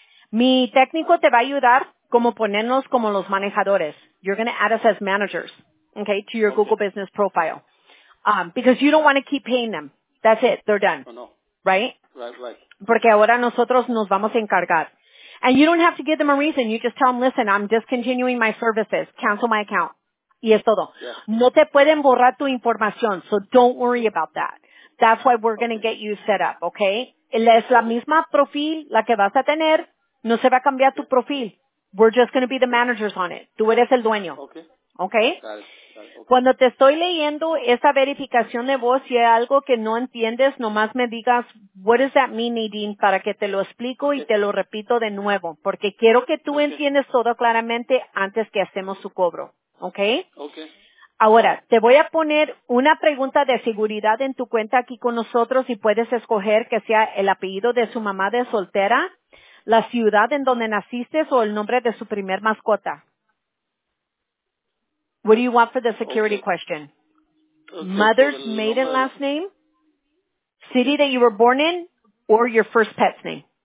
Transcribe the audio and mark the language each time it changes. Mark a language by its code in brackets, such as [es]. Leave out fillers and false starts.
[es] Mi técnico te va a ayudar como ponernos como los manejadores. [en] You're going to add us as managers, okay, to your Google Business Profile. Because you don't want to keep paying them. That's it. They're done. No. Right? Right. [es] Porque ahora nosotros nos vamos a encargar. [en] And you don't have to give them a reason. You just tell them, listen, I'm discontinuing my services. Cancel my account. [es] Y es todo. [en] Yeah. [es] No te pueden borrar tu información, [en] so don't worry about that. That's why we're going to get you set up, okay? [es] Es la misma profil la que vas a tener. No se va a cambiar tu profil. [en] We're just going to be the managers on it. [es] Tú eres el dueño. [en] Okay? [es] Okay. Cuando te estoy leyendo esa verificación de voz, si hay algo que no entiendes, nomás me digas, [en] what does that mean, [es] Nadine, para que te lo explico y te lo repito de nuevo. Porque quiero que tú entiendas todo claramente antes que hacemos su cobro. [en] Okay? Okay. [es] Ahora, te voy a poner una pregunta de seguridad en tu cuenta aquí con nosotros y puedes escoger que sea el apellido de su mamá de soltera, la ciudad en donde naciste o el nombre de su primer mascota. [en] What do you want for the security question? Okay. Mother's maiden last name, city that you were born in, or your first pet's name?